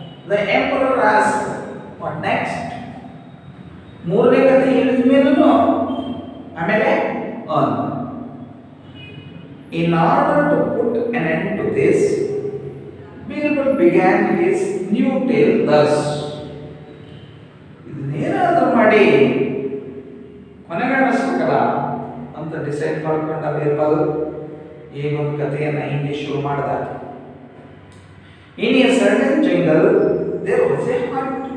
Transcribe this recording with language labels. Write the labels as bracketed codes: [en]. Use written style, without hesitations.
[en] The emperor asked, what next? [kn] ಮೂರನೇ ಕಥೆ ಹೇಳಿದ್ಮೇಲೂ ಆಮೇಲೆ ಅಂತ. [en] In order to put an end to this, Birbal began his new tale thus. [kn] ಇದನ್ನೇನಾದರೂ ಮಾಡಿ ಕೊನೆಗಾಣಿಸ್ಬೇಕಲ್ಲ ಅಂತ decide ಮಾಡ್ಕೊಂಡ ಬೀರ್ಬಲ್ ಈ ಒಂದು ಕಥೆಯನ್ನು ಹಿಂಗೆ ಶುರು ಮಾಡಿದ. [en] In a certain jungle, there was a hut.